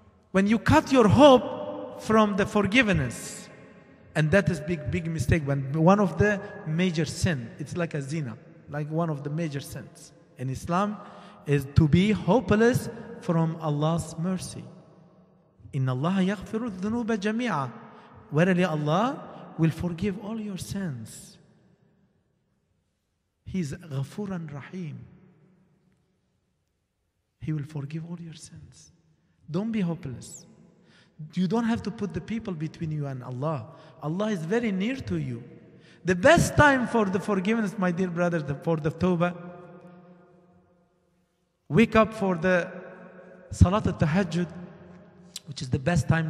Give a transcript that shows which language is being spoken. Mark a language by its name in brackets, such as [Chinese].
[English] When you cut your hope from the forgiveness, and that is big, big mistake, when one of the major sin, it's like a zina, like one of the major sins in Islam, is to be hopeless from Allah's mercy. [Arabic] إِنَّ اللَّهَ يَغْفِرُ الذُّنُوبَ جَمِيعًا. [English] Verily Allah will forgive all your sins. He's [Arabic] غَفُورًا رَحِيمًا. [English] He will forgive all your sins. Don't be hopeless. You don't have to put the people between you and Allah. Allah is very near to you. The best time for the forgiveness, my dear brother, for the tawbah, wake up for the Salat al-Tahajjud, which is the best time.